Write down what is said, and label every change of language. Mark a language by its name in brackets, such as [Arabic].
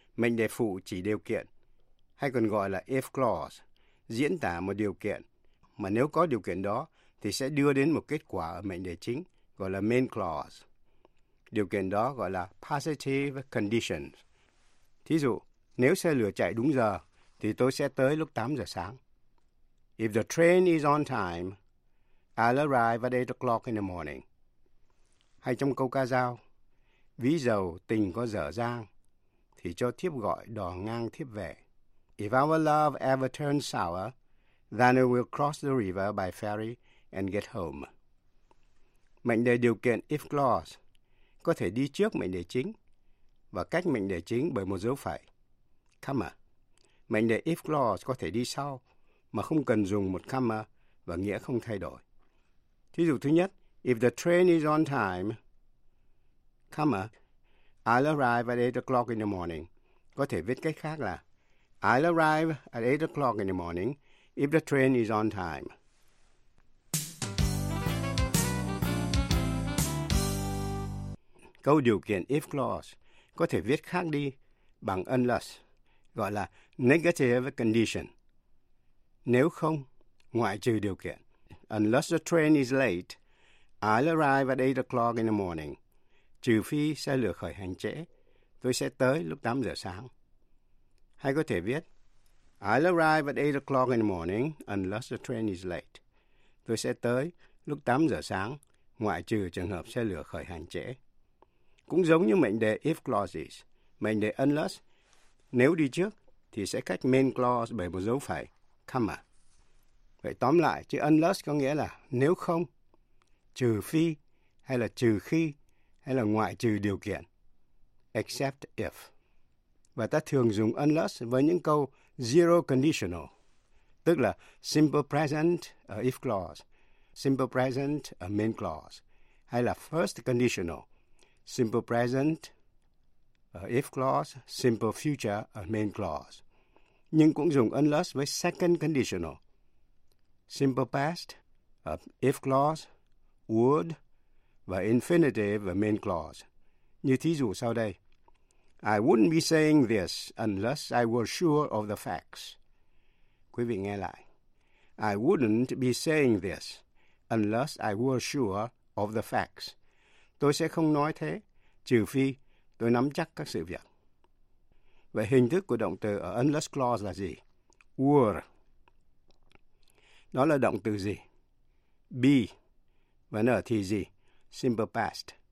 [Vietnamese] Mệnh đề phụ chỉ điều kiện, hay còn gọi là if clause, diễn tả một điều kiện, mà nếu có điều kiện đó thì sẽ đưa đến một kết quả ở mệnh đề chính, gọi là main clause. Điều kiện đó gọi là positive conditions. Thí dụ, nếu xe lửa chạy đúng giờ, thì tôi sẽ tới lúc 8 giờ sáng. [English] If the train is on time, I'll arrive at 8 o'clock in the morning. [Vietnamese] Hay trong câu ca dao, ví dầu tình có dở dang, thì cho thiếp gọi đò ngang thiếp về. [English] If our love ever turns sour, then I will cross the river by ferry and get home. [Vietnamese] Mệnh đề điều kiện if clause có thể đi trước mệnh đề chính và cách mệnh đề chính bởi một dấu phẩy, comma. Mệnh đề if clause có thể đi sau mà không cần dùng một comma và nghĩa không thay đổi. Thí dụ thứ nhất, [English] if the train is on time, comma, I'll arrive at 8 o'clock in the morning. [Vietnamese] Có thể viết cách khác là [English] I'll arrive at 8 o'clock in the morning if the train is on time. [Vietnamese] Câu điều kiện if clause có thể viết khác đi bằng unless, gọi là negative condition. Nếu không, ngoại trừ điều kiện. [English] Unless the train is late, I'll arrive at 8 o'clock in the morning. [Vietnamese] Trừ phi xe lửa khởi hành trễ, tôi sẽ tới lúc 8 giờ sáng. Hay có thể viết, [English] I'll arrive at 8 o'clock in the morning unless the train is late. [Vietnamese] Tôi sẽ tới lúc 8 giờ sáng, ngoại trừ trường hợp xe lửa khởi hành trễ. Cũng giống như mệnh đề if clauses, mệnh đề unless, nếu đi trước thì sẽ cách main clause bởi một dấu phẩy, comma. Vậy tóm lại, chữ unless có nghĩa là nếu không, trừ phi, hay là trừ khi, hay là ngoại trừ điều kiện, except if. Và ta thường dùng unless với những câu zero conditional, tức là simple present a if clause, simple present a main clause, hay là first conditional, simple present a if clause, simple future a main clause. Nhưng cũng dùng unless với second conditional, simple past a if clause, would và infinitive a main clause. Như thí dụ sau đây, [English] I wouldn't be saying this unless I were sure of the facts. [Vietnamese] Quý vị nghe lại. [English] I wouldn't be saying this unless I were sure of the facts. [Vietnamese] Tôi sẽ không nói thế trừ phi tôi nắm chắc các sự việc. Vậy hình thức của động từ ở unless clause là gì? Were. Đó là động từ gì? Be. Và nó ở thì gì? Simple past.